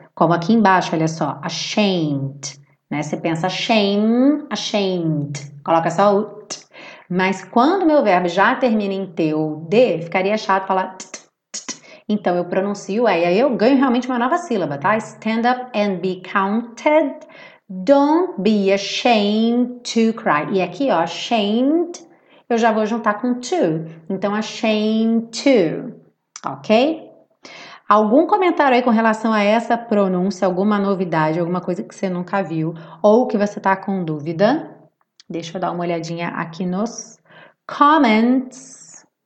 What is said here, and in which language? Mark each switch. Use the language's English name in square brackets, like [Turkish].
[Portuguese] Como aqui embaixo, olha só, ashamed, né? Você pensa shame, ashamed, coloca só o t. Mas quando meu verbo já termina em T ou D, ficaria chato falar t, então eu pronuncio E, aí eu ganho realmente uma nova sílaba, tá? [English] Stand up and be counted, don't be ashamed to cry. [Portuguese] E aqui, ó, ashamed, eu já vou juntar com to, então [English] ashamed to, [Portuguese] ok? Algum comentário aí com relação a essa pronúncia, alguma novidade, alguma coisa que você nunca viu ou que você está com dúvida? Deixa eu dar uma olhadinha aqui nos comments.